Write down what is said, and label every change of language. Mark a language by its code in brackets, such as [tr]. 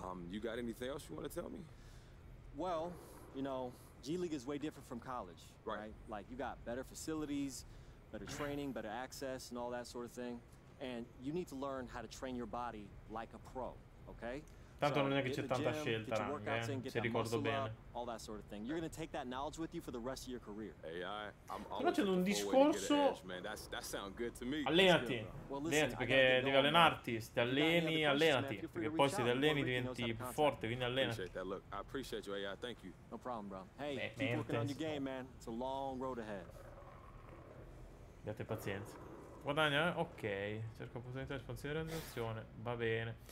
[en] You got anything else you want to tell me? Well, you know, G League is way different from college, right? Like you got better facilities, better training, better access and all that sort of thing, and you need to learn how to train your body like a pro, okay? [it] Tanto non è che c'è tanta scelta, anche, se ricordo bene. [en] Sort of thing. You're gonna take that knowledge with you for the rest of your career. [it] Però c'è un discorso. Allenati. Allenati perché devi allenarti, se ti alleni, allenati, perché poi se ti alleni diventi più forte, quindi allenati. [en] No problem, bro. Hey, keep working on your game, man. It's a long road ahead. [it] Date pazienza. Guadagna, ok. Cerco opportunità di espansione e realizzazione. Va bene.